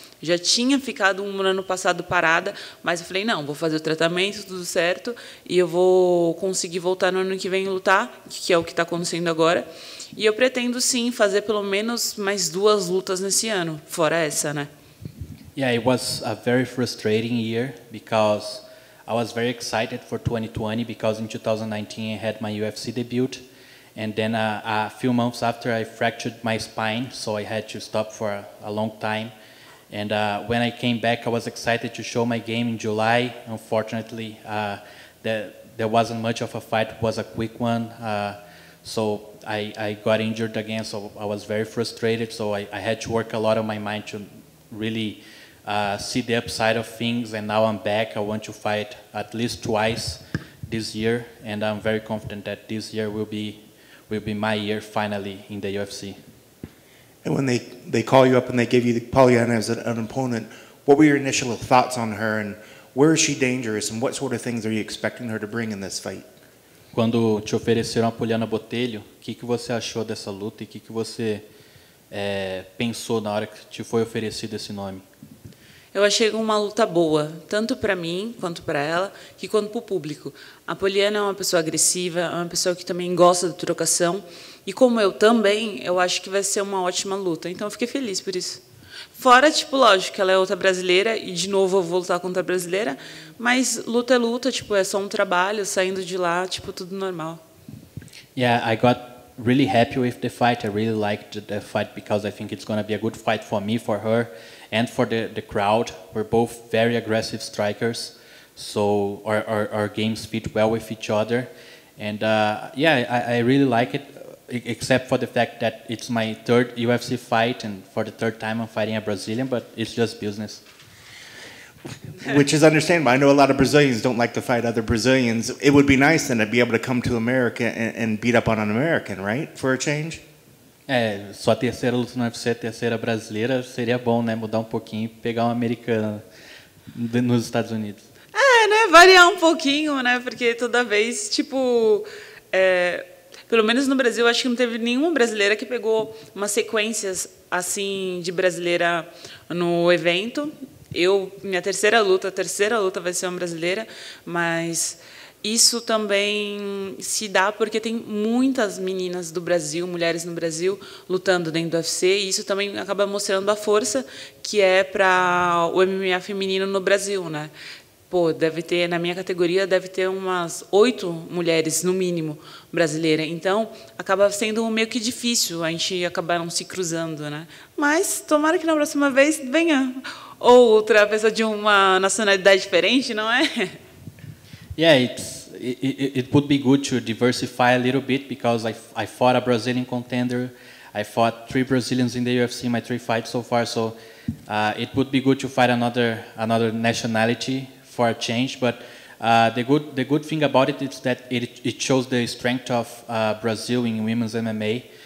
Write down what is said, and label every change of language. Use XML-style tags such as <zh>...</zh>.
<pt>Já tinha ficado um ano passado parada, mas eu falei, não, vou fazer o tratamento, tudo certo, e eu vou conseguir voltar no ano que vem lutar, que é o que está acontecendo agora. E eu pretendo, sim, fazer pelo menos mais duas lutas nesse ano, fora essa, né?</pt> <en>Yeah, it was a very frustrating year because I was very excited for 2020 because in 2019 I had my UFC debut, and then a few months after I fractured my spine, so I had to stop for a long time. And when I came back, I was excited to show my game in July. Unfortunately, there wasn't much of a fight. It was a quick one. So I got injured again, so I was very frustrated. So I had to work a lot on my mind to really see the upside of things. And now I'm back. I want to fight at least twice this year. And I'm very confident that this year will be my year finally in the UFC. And when they call you up and they give you Pollyanna as an opponent, what were your initial thoughts on her, and where is she dangerous, and what sort of things are you expecting her to bring in this fight?</en> <pt>Quando te ofereceram a Pollyanna Botelho, que você achou dessa luta e que você pensou na hora que te foi oferecido esse nome? Eu achei uma luta boa, tanto para mim, quanto para ela, e quanto para o público. A Pollyanna é uma pessoa agressiva, é uma pessoa que também gosta de trocação, e como eu também, eu acho que vai ser uma ótima luta. Então, eu fiquei feliz por isso. Fora, tipo, lógico, ela é outra brasileira, e de novo eu vou lutar contra a brasileira, mas luta é luta, tipo, é só um trabalho, saindo de lá, tipo, tudo normal.</pt> <en>Yeah, I got really happy with the fight. I really liked the fight because I think it's going to be a good fight for me, for her, and for the crowd. We're both very aggressive strikers, so our games fit well with each other. And I really like it, except for the fact that it's my third UFC fight, and for the third time I'm fighting a Brazilian, but it's just business. Which is understandable. I know a lot of Brazilians don't like to fight other Brazilians. It would be nice then to be able to come to America and beat up on an American, right, for a change?</en> <pt>É, sua terceira luta no UFC, terceira brasileira, seria bom, né, mudar um pouquinho e pegar uma americana nos Estados Unidos. É, né, variar um pouquinho, né, porque toda vez, tipo, pelo menos no Brasil, acho que não teve nenhuma brasileira que pegou umas sequências, assim, de brasileira no evento. Eu, minha terceira luta vai ser uma brasileira, mas... Isso também se dá porque tem muitas meninas do Brasil, mulheres no Brasil, lutando dentro do UFC, e isso também acaba mostrando a força que é para o MMA feminino no Brasil, né? Pô, deve ter, na minha categoria, deve ter umas 8 mulheres, no mínimo, brasileiras. Então, acaba sendo meio que difícil a gente acabar não se cruzando, né? Mas, tomara que na próxima vez venha outra pessoa de uma nacionalidade diferente, não é?</pt> <en>Yeah, it would be good to diversify a little bit because I fought a Brazilian contender. I fought 3 Brazilians in the UFC in my 3 fights so far. So it would be good to fight another nationality for a change. But the good thing about it is that it shows the strength of Brazil in women's MMA.</en>